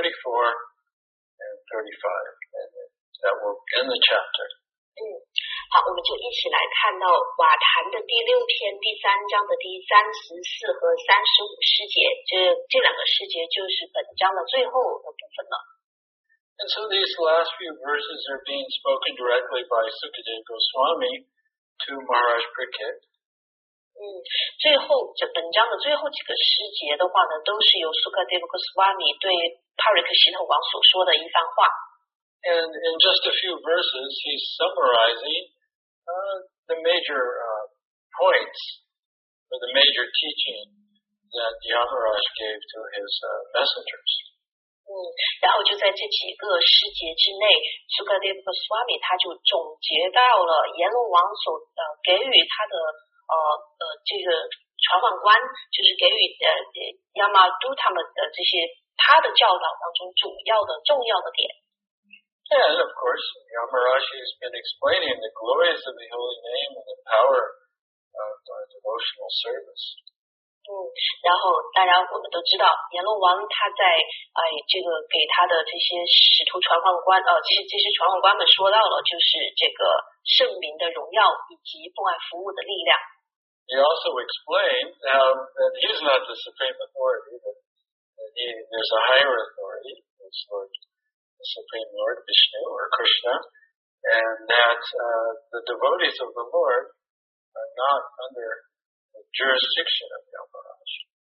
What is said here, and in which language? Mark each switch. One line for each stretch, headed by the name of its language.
English: And that will end the chapter.
Chinese: 嗯，好，我们就一起来看到瓦坛的第六篇第三章的第34和35诗节。这两个诗节就是本章的最后的部分了。
English: And so these last few verses are being spoken directly by Sukadeva Goswami to Maharaj Prakrit.
Chinese: 最后这本章的最后几个诗节的话呢，都是由 Sukadeva Goswami 对 Parikshit 系统王所说的一番话。
English: And in just a few verses, he's summarizing the major points or the major teaching that Yamaraj gave to his messengers.
Chinese: 然后就在这几个诗节之内 Sukadeva Goswami 他就总结到了阎罗王所给予他的这个传唤官，就是给予Yamadu 他们的这些他的教导当中主要的重要的点。
English: And of course Yamaraj has been explaining the glories of the holy name and the power of our devotional service.
Chinese: 然后当然我们都知道阎罗王他在这个给他的这些使徒传唤官这些传唤官们说到了就是这个圣名的荣耀以及奉爱服务的力量。
English: He also explained that he's not the supreme authority, but there's a higher authority, it's Lord, the Supreme Lord Vishnu or Krishna, and that the devotees of the Lord are not under the jurisdiction of Yamaraj.